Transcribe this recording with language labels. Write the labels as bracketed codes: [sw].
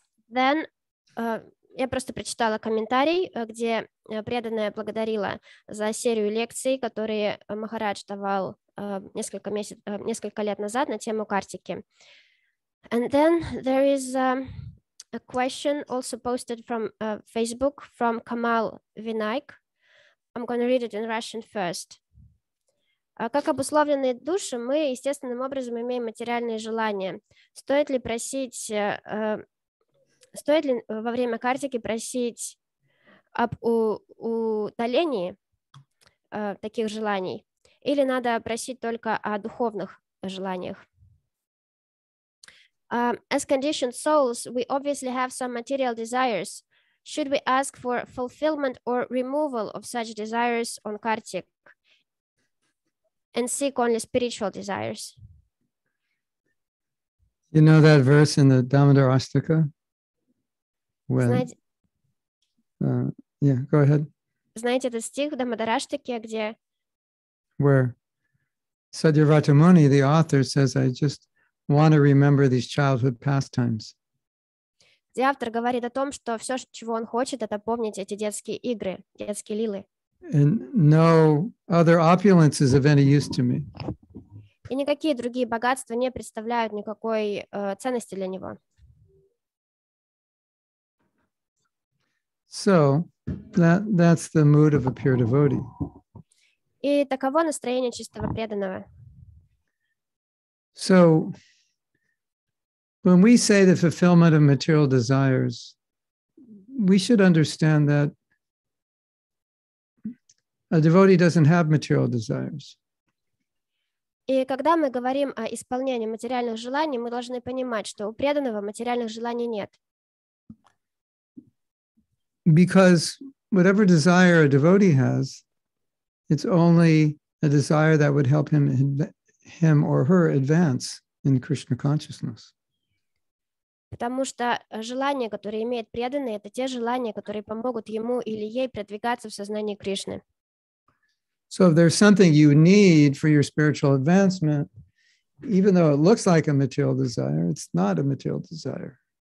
[en] Then, [ru] я просто прочитала комментарий, где преданная благодарила за серию лекций, которые Махарадж давал несколько лет назад на тему Картики. [en] And then there is a question also posted from Facebook from Kamal Vinayak. I'm going to read it in Russian first. [ru] Как обусловленные души, мы естественным образом имеем материальные желания. Стоит ли во время картики просить об удалении таких желаний? Или надо просить только о духовных желаниях? [en] As conditioned souls, we obviously have some material desires. Should we ask for fulfillment or removal of such desires on Kartik and seek only spiritual desires? You know that verse in the Damodar Astaka? Well, go ahead. [ru] Знаете этот стих в Damodar Astaka, где? [en] Where Sadhyavrata Muni, the author, says, I just want to remember these childhood pastimes. [ru] Где автор говорит о том, что все, чего он хочет, это помнить эти детские игры, детские лилы. [en] And no other opulence is of any use to me. [ru] И никакие другие богатства не представляют никакой ценности для него. [en] So, that's the mood of a pure devotee. [ru] И таково настроение чистого преданного. [en] So, when we say the fulfillment of material desires, we should understand that a devotee doesn't have material desires. [ru] И когда мы говорим о исполнении материальных желаний, мы должны понимать, что у преданного материальных желаний нет. [en] Because whatever desire a devotee has, it's only a desire that would help him or her advance in Krishna consciousness. [ru] Потому что желания, которые имеет преданный, это те желания, которые помогут ему или ей продвигаться в сознании Кришны. [en] So if there's something you need for your spiritual advancement, even though it looks like a material desire, it's not a material desire.